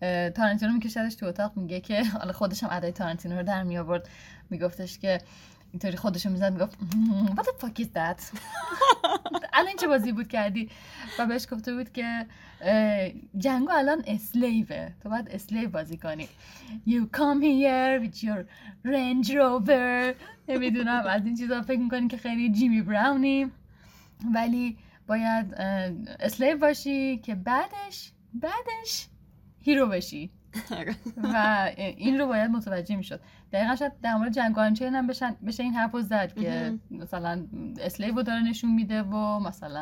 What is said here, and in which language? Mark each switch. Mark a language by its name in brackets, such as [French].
[Persian] تارانتینو میکشدش تو اتاق میگه که حالا خودش هم ادای تارانتینو رو در میآورد، میگفتش که اینطوری خودش رو میزد میگفت [English] What the fuck is that؟ [Persian] الان چه بازی بود کردی؟ و بهش گفته بود که جنگو الان اسلیوه، تو باید اسلیو بازی کنی. [English] You come here with your Range Rover. [Persian] نمیدونم از این چیزا فکر میکنی که خیلی جیمی براونی، ولی باید اسلیو باشی که بعدش هیرو بشی. و این رو باید متوجه میشد. دقیقا شد در مورد جنگ آنچین هم بشه این حرف رو زد که مثلا اسلیو رو داره نشون میده و مثلا